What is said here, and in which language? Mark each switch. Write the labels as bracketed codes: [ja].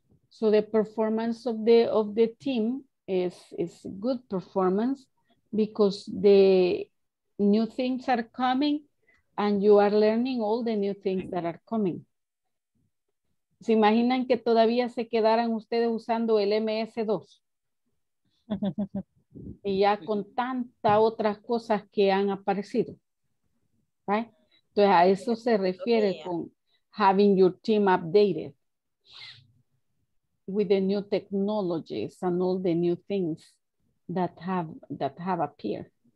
[es] So the performance of the team is good performance, because the new things are coming and you are learning all the new things that are coming. ¿Se imaginan que todavía se quedaran ustedes usando el MS-2? Y ya con tantas otras cosas que han aparecido. [en] Right? [es] Entonces, a eso se refiere con [en] having your team updated with the new technologies and all the new things that have appeared.